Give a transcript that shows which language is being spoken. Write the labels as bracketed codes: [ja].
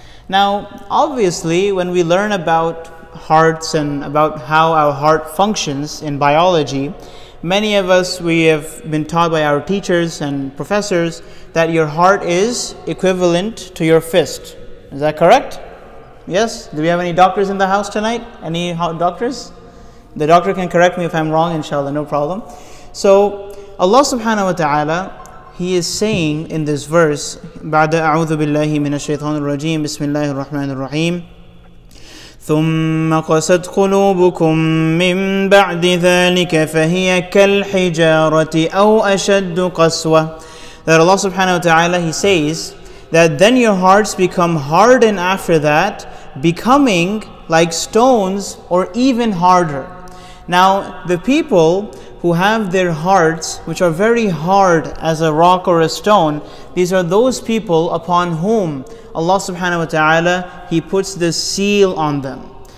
[en] Now, obviously, when we learn about hearts and about how our heart functions in biology, many of us, we have been taught by our teachers and professors that your heart is equivalent to your fist. Is that correct? Yes? Do we have any doctors in the house tonight? Any doctors? The doctor can correct me if I'm wrong, inshallah, no problem. So, Allah subhanahu wa ta'ala, He is saying in this verse, [ar] بَعْدَ أَعُوذُ بِاللَّهِ مِنَ الشَّيْطَانِ الرَّجِيمِ بِسْمِ اللَّهِ الرَّحْمَنِ الرَّحِيمِ ثُمَّ قَسَتْ قُلُوبُكُمْ مِنْ بَعْدِ ذَلِكَ فَهِيَ كَالْحِجَارَةِ أَوْ أَشَدُّ قَسْوَةِ. [en] That Allah subhanahu wa ta'ala, He says that then your hearts become hardened after that, becoming like stones or even harder. Now, the people who have their hearts which are very hard as a rock or a stone, these are those people upon whom Allah subhanahu wa ta'ala, He puts the seal on them.